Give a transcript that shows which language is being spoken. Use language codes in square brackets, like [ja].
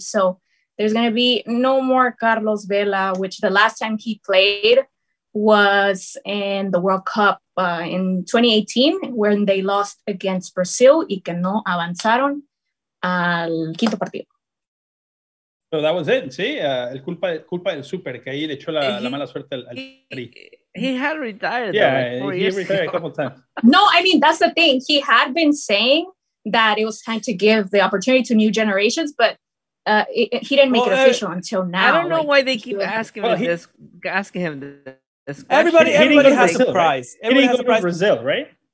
[en] So there's going to be no more Carlos Vela, which the last time he played was in the World Cup in 2018, when they lost against Brazil [es] y que no avanzaron al quinto partido. [en] So that was it. See, [es] el culpa del super que ahí le echó la mala suerte al Tri. [en] He had retired. Yeah, he retired a couple times. No, I mean, that's the thing. He had been saying that it was time to give the opportunity to new generations, but he didn't make it official until now. I don't know why they keep asking him this. Everybody has a prize. He didn't go to Brazil, right?